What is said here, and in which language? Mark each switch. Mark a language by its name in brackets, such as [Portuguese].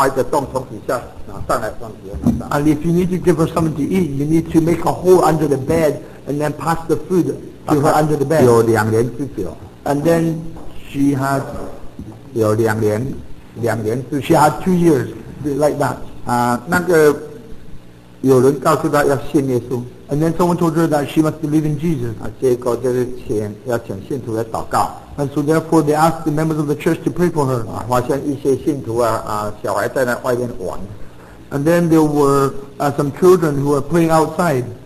[Chinese] 要给换给她吃，就要在床铺挖一个洞，从底下上来放。 [English] And if you need to give her something to eat, you need to make a hole under the bed and then pass the food to her under the bed. [Chinese] 有两年之久。 [English] And then she has [Chinese] 有两年之久。 [English] She has 2 years like that. [Chinese] 那个。有人告诉她要信耶稣。 [English] And then someone told her that she must believe in Jesus. [Chinese] 啊，结果就是请要请信徒来祷告。 [English] And so therefore they asked the members of the church to pray for her. [Chinese] 啊，发现一些信徒啊啊，小孩在那外面玩。 [English] And then there were some children who were playing outside.